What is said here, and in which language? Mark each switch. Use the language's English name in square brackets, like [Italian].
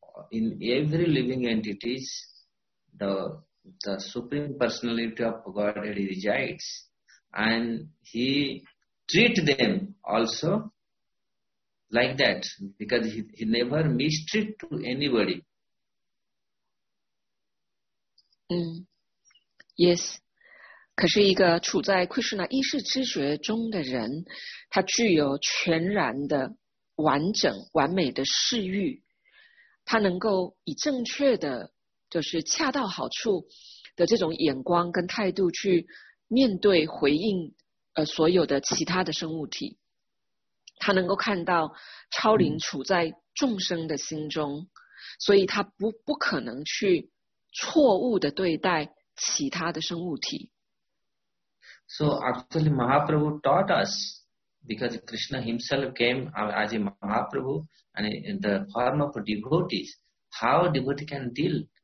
[English] in every living entities the Supreme Personality of Godhead resides, and he treat them also like that, because he never mistreat to anybody. Yes. [Chinese] 可是一个处在Krishna意识知觉中的人，他具有全然的完整完美的视域，他能够以正确的 就是恰到好处的这种眼光跟态度去面对回应，所有的其他的生物体，他能够看到超灵处在众生的心中，所以他不可能去错误的对待其他的生物体。So [English] actually, Mahaprabhu taught us, because Krishna Himself came as a Mahaprabhu and in the form of devotees, how devotee can deal.